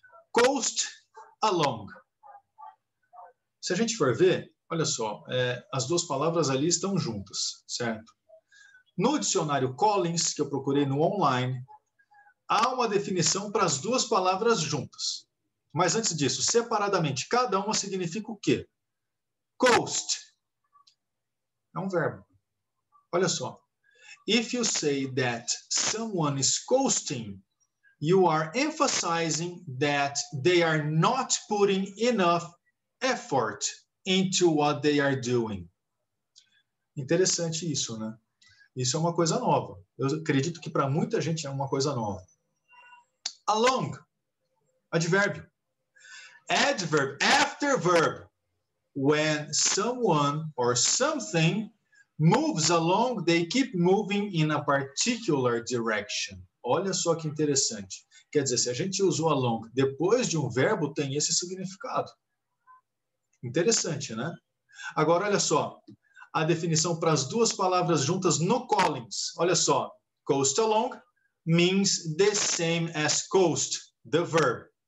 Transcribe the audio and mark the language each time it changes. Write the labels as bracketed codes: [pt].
[pt] Coast along. Se a gente for ver, olha só, as duas palavras ali estão juntas, certo? No dicionário Collins, que eu procurei no online, há uma definição para as duas palavras juntas. Mas antes disso, separadamente, cada uma significa o quê? Coast. É um verbo. Olha só. [en] If you say that someone is coasting, you are emphasizing that they are not putting enough effort into what they are doing. [pt] Interessante isso, né? Isso é uma coisa nova. Eu acredito que para muita gente é uma coisa nova. [en] Along. Advérbio. Adverb, after verb. when someone or something moves along, they keep moving in a particular direction. [pt] Olha só que interessante. Quer dizer, se a gente usou along depois de um verbo, tem esse significado. Interessante, né? Agora, olha só. A definição para as duas palavras juntas no Collins. Olha só. [en] Coast along means the same as coast, the verb.